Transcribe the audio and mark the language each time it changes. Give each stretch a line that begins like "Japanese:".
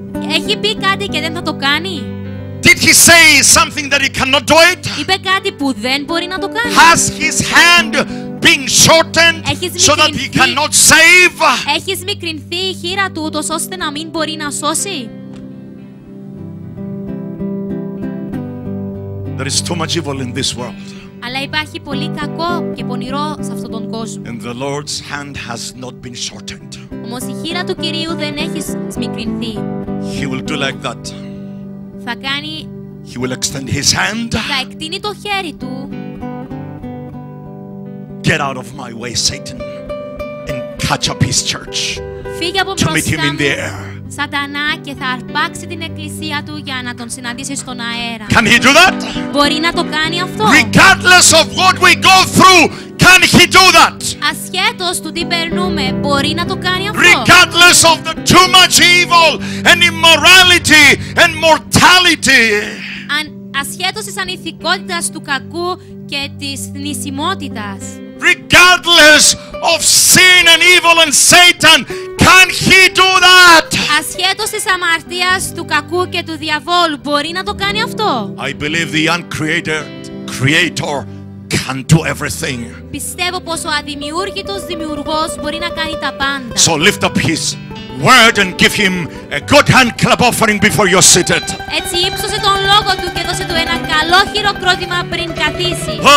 Greek: Έχει πει κάτι και δεν θα το κάνει;
English: Did he say something that he cannot do it?
Greek: Είπε κάτι που δεν μπορεί να το κάνει;
English: Has his hand been shortened so that he cannot save?
Greek: Έχεις μικρυνθεί η χείρα του ούτως ώστε να μην μπορεί να σώσει;
English: There is too much evil in this world.
Greek: Αλλά υπάρχει πολύ κακό και πονηρό σε αυτόν τον κόσμο.
English: And the Lord's hand has not been shortened.
Greek: Όμως η χείρα του Κυρίου δεν έχει σμικρυνθεί.
English: He will do like that.
Greek: Θα κάνει.
English: He will extend his hand.
Greek: Θα εκτείνει το χέρι του.
English: Get out of my way, Satan, and catch up his church.
Greek: Φύγε από μπροστά μου, Σατανά, και θα αρπάξει την εκκλησία του για να τον συναντήσει στον αέρα.
English: Can he do that?
Greek: Μπορεί να το κάνει αυτό;
English: Regardless of what we go through, can he do that?
Greek: Ασχέτως του τι περνούμε, μπορεί να το κάνει αυτό;
English: Regardless of the too much evil and immorality and mortality.
Greek: Ασχέτως της ανηθικότητας του κακού και της θνησιμότητας.
English: Regardless of sin and evil and Satan, can he do that?
Greek: Ασχέτως της αμαρτίας, του κακού και του διαβόλου, μπορεί να το κάνει αυτό;
English: I believe the uncreated creator can do everything.
Greek: Πιστεύω πως ο αδημιούργητος δημιουργός μπορεί να κάνει τα πάντα.
English: So lift up his word and give him a good hand clap offering before you're seated.
Greek: Έτσι ύψωσε τον λόγο του και δώσε του ένα καλό χειροκρότημα πριν καθίσει.